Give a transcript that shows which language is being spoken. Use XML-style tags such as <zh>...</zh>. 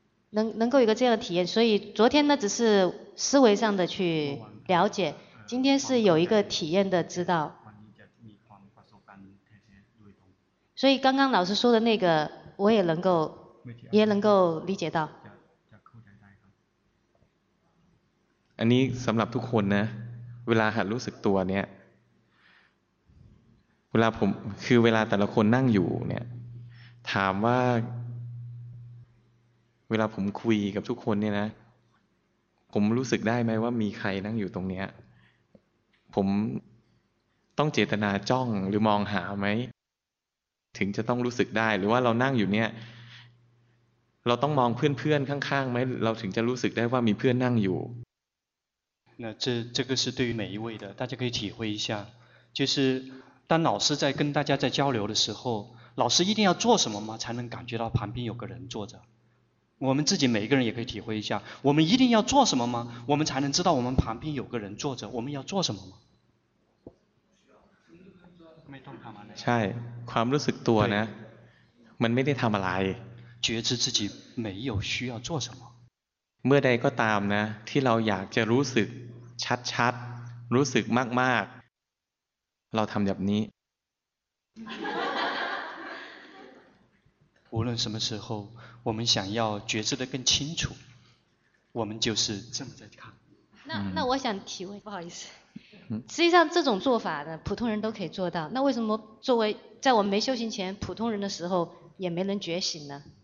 <zh>能够有个这样的体验所以昨天呢只是思维上的去了解今天是有一个体验的知道所以刚刚老师说的那个我也能够也能够理解到</zh> <th>อันนี้สำหรับทุกคนนะเวลาหัดรู้สึกตัวเนี่ยเวลาผมคือเวลาแต่ละคนนั่งอยู่เนี่ยถามว่าเวลาผมคุยกับทุกคนเนี่ยนะผมรู้สึกได้ไหมว่ามีใครนั่งอยู่ตรงเนี้ยผมต้องเจตนาจ้องหรือมองหาไหมถึงจะต้องรู้สึกได้หรือว่าเรานั่งอยู่เนี่ยเราต้องมองเพื่อนๆข้างๆไหมเราถึงจะรู้สึกได้ว่ามีเพื่อนนั่งอยู่</th> <zh>那这个是对于每一位的大家可以体会一下就是当老师在跟大家在交流的时候老师一定要做什么吗才能感觉到旁边有个人坐着我们自己每一个人也可以体会一下我们一定要做什么吗我们才能知道我们旁边有个人坐着我们要做什么吗</zh> <th>ใช่ความรู้สึกตัวนะมันไม่ได้ทำอะไร</th> <zh>觉知自己没有需要做什么</zh> <th>เมื่อใดก็ตามนะที่เราอยากจะรู้สึกชัดชัดรู้สึกมากมากเราทำแบบนี้</th> <zh>无论什么时候我们想要觉知的更清楚我们就是这么在看那我想体会不好意思实际上这种做法呢普通人都可以做到，那为什么作为在我们没修行前普通人的时候也没能觉醒呢？</zh>